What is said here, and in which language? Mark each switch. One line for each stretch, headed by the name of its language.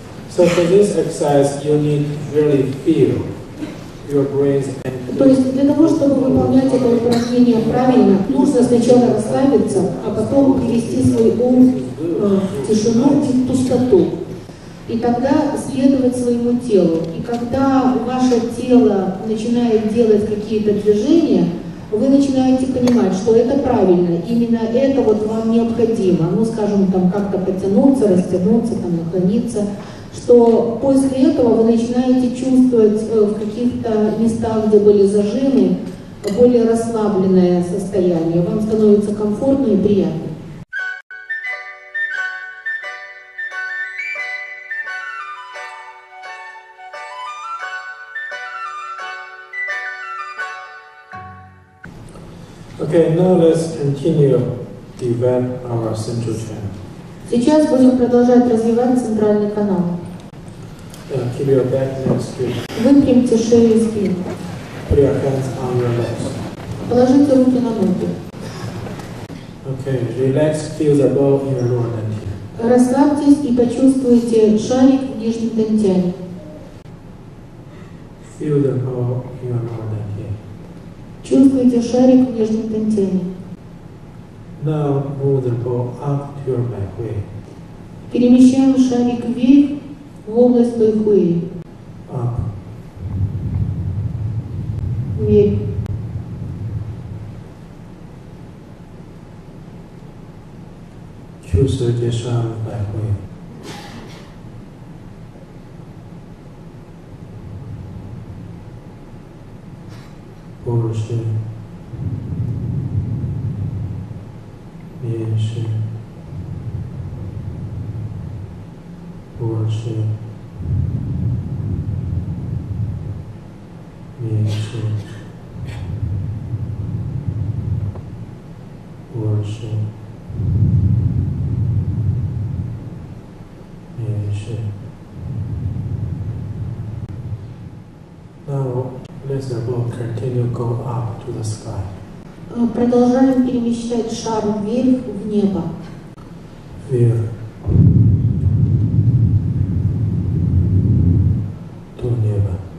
English: So for this exercise you need really feel your breath and
Russian: то есть для того, чтобы выполнять это упражнение правильно, нужно сначала расслабиться, а потом перевести свой ум в тишину и в пустоту. И тогда следовать своему телу. И когда ваше тело начинает делать какие-то движения, вы начинаете понимать, что это правильно. Именно это вот вам необходимо. Ну, скажем, там как-то потянуться, растянуться, там, наклониться. что после этого вы начинаете чувствовать в каких-то местах, где были зажимы, более расслабленное состояние. Вам становится комфортно и приятно.
English: Okay, now let's continue develop our central channel.
Russian: Сейчас будем продолжать развивать центральный канал.
English: Yeah, keep your back and spine.
Russian: Выпрямите шею и спину.
English: Put your hands on your legs.
Russian: Положите руки на ноги.
English: Okay, relax, feel the ball in your lower dantian.
Russian: Расслабьтесь и почувствуйте шарик в нижнем дантиане.
English: Feel the ball in your lower dantian.
Russian: Чувствуйте шарик в нижнем дантиане.
English: Now move the ball up to your back way.
Russian: Перемещаем шарик вверх в область
English: back way. Up.
Russian: Вверх. Чувствуйте шарик
English: back way.
Russian: Больше, меньше, больше, меньше, больше, меньше.
English: Let the ball continue go up to the sky.
Russian: Продолжаем перемещать шар вверх в небо. Вверх. До неба.